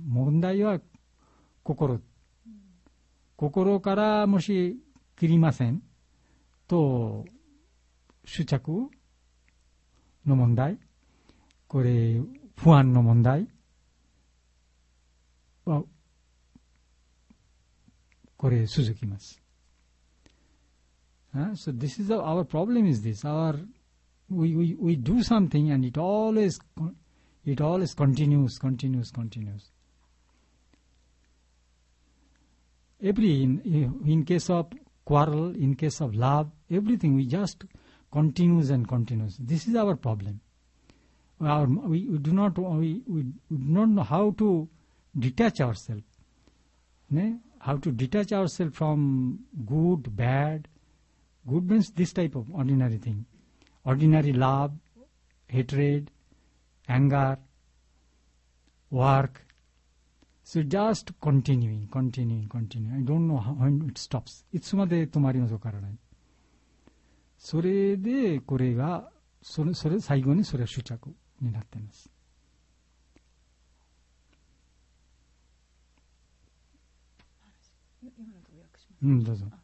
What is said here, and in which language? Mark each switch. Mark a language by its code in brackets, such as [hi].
[ja] 問題は心。心からもし切りませんと執着の問題、これ不安の問題、これ続きます。 [en] So this is our problem is this. Our we do something and it always continues. Every in case of quarrel, in case of love, everything we just continues and continues. This is our problem. We do not know how to detach ourselves. Ne? How to detach ourselves from good, bad. Good means this type of ordinary thing. Ordinary love, hatred, anger, work. So just continuing. I don't know when it stops. [ja] いつまで止まりますからね。それでこれが、それ最後にそれが執着になっています。今の訳します。